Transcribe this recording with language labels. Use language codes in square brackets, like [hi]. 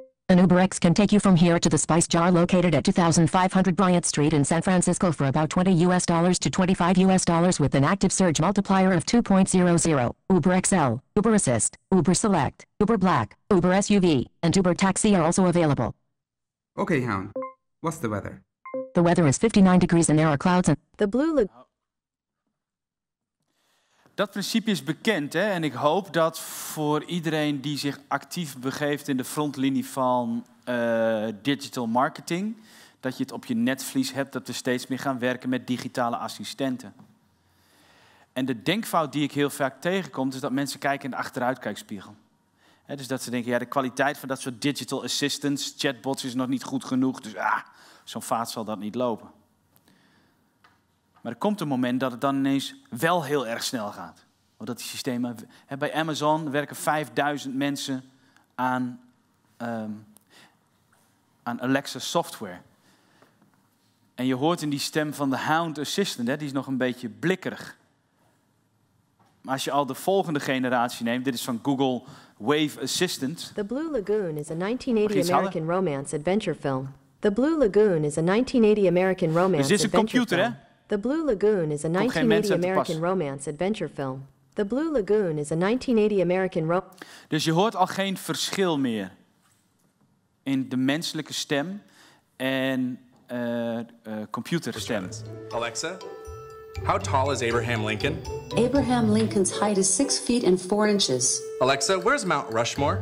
[en] An UberX can take you from here to the Spice Jar located at 2500 Bryant Street in San Francisco for about $20 to $25 with an active surge multiplier of 2.00. Uber XL, Uber Assist, Uber Select, Uber Black, Uber SUV, and Uber Taxi are also available. Okay, Hound. What's the weather? The weather is 59 degrees and there are clouds and the blue look. [nl] Dat principe is bekend, hè? En ik hoop dat voor iedereen die zich actief begeeft in de frontlinie van digital marketing, dat je het op je netvlies hebt dat we steeds meer gaan werken met digitale assistenten. En de denkfout die ik heel vaak tegenkom, is dat mensen kijken in de achteruitkijkspiegel. Hè, dus dat ze denken, ja, de kwaliteit van dat soort digital assistants, chatbots is nog niet goed genoeg, dus zo'n vaat zal dat niet lopen. Maar er komt een moment dat het dan ineens wel heel erg snel gaat. Omdat die systemen. Bij Amazon werken 5000 mensen aan Alexa software. En je hoort in die stem van de Hound Assistant, hè, die is nog een beetje blikkerig. Maar als je al de volgende generatie neemt, dit is van Google Wave Assistant. [en] The Blue Lagoon is a 1980 American romance adventure film. The Blue Lagoon is a 1980 American romance adventure film. [nl] Dus dit is een computer, hè? [en] The Blue Lagoon is a 1980 American romance adventure film. The Blue Lagoon is a 1980 American romance. [nl] Dus je hoort al geen verschil meer in de menselijke stem en computerstem. [en] Alexa, how tall is Abraham Lincoln? Abraham Lincoln's height is 6 feet and 4 inches. Alexa, where's Mount Rushmore?